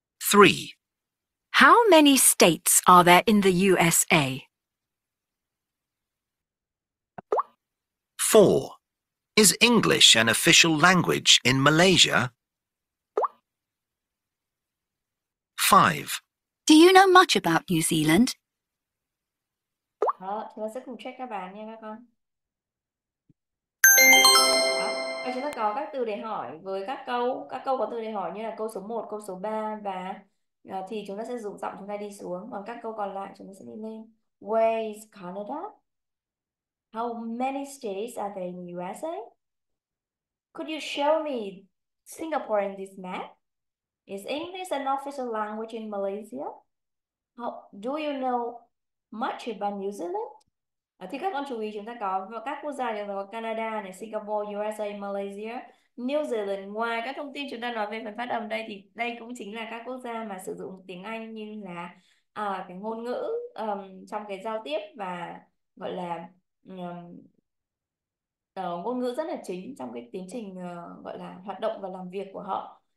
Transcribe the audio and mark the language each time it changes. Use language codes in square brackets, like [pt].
[en] 3. How many states are there in the USA? 4. Is English an official language in Malaysia? 5. Do you know much about New Zealand? [vi] Đó, chúng ta sẽ cùng check các bạn nha các con. Đó, và chúng ta có các từ để hỏi với các câu. Các câu có từ để hỏi như là câu số 1, câu số 3 và thì chúng ta sẽ dùng giọng chúng ta đi xuống. Còn các câu còn lại chúng ta sẽ đi lên. [en] Where is Canada? How many states are there in the USA? Could you show me Singapore in this map? Is English an official language in Malaysia? Do you know much about New Zealand? [vi] Thì các con chú ý chúng ta có các quốc gia như là Canada này, Singapore, USA, Malaysia, New Zealand. Ngoài các thông tin chúng ta nói về phần phát âm đây thì đây cũng chính là các quốc gia mà sử dụng tiếng Anh như là cái ngôn ngữ trong cái giao tiếp và gọi là ngôn ngữ rất là chính trong cái tiến trình gọi là hoạt động và làm việc của họ.